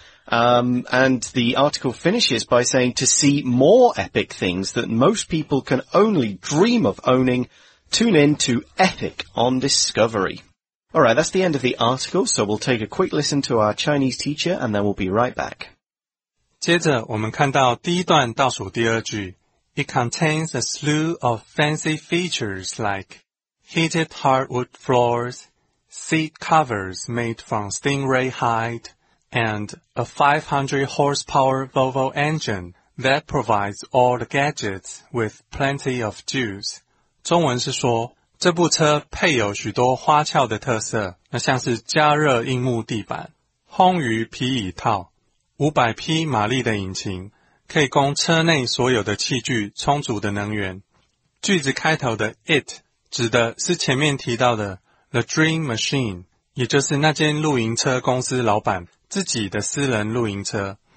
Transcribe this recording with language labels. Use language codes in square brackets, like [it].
[en] And the article finishes by saying to see more epic things that most people can only dream of owning, tune in to Epic on Discovery. All right, that's the end of the article, so we'll take a quick listen to our Chinese teacher and then we'll be right back. [zh] 接着我们看到第一段倒数第二句。 [en] It contains a slew of fancy features like heated hardwood floors, seat covers made from stingray hide, and a 500-horsepower Volvo engine that provides all the gadgets with plenty of juice. [zh] 中文是说，这部车配有许多花俏的特色，那像是加热硬木地板、烘鱼皮椅套、500匹马力的引擎，可以供车内所有的器具充足的能源。句子开头的 it 指的是前面提到的 [en] the dream machine， [zh] 也就是那间露营车公司老板自己的私人露营车。